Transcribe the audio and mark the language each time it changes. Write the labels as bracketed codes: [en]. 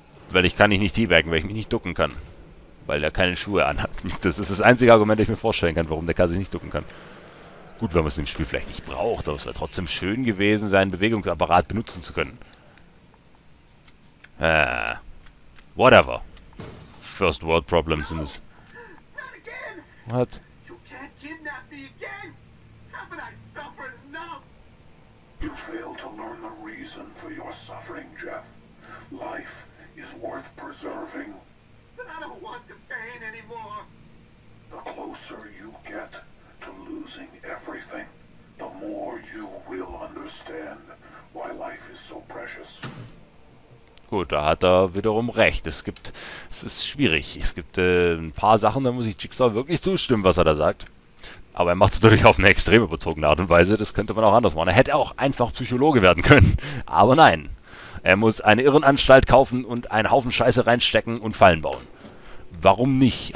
[de] Weil ich kann dich nicht teabaggen, weil ich mich nicht ducken kann. Weil er keine Schuhe anhat. Das ist das einzige Argument, das ich mir vorstellen kann, warum der Kerl sich nicht ducken kann. Gut, wenn man es im Spiel vielleicht nicht braucht, aber es wäre trotzdem schön gewesen, seinen Bewegungsapparat benutzen zu können. [en] Whatever. First world problems in this. What? You can't kidnap me again! Haven't I suffered enough? You fail to learn the reason for your suffering, Jeff. Life is worth preserving. I don't want the pain anymore. The closer you get to losing everything, the more you will understand why life is so precious. [de] Gut, da hat er wiederum recht. Es gibt, es ist schwierig. Es gibt ein paar Sachen, da muss ich Jigsaw wirklich zustimmen, was er da sagt. Aber er macht es natürlich auf eine extrem überzogene Art und Weise. Das könnte man auch anders machen. Er hätte auch einfach Psychologe werden können. Aber nein. Er muss eine Irrenanstalt kaufen und einen Haufen Scheiße reinstecken und Fallen bauen. Warum nicht?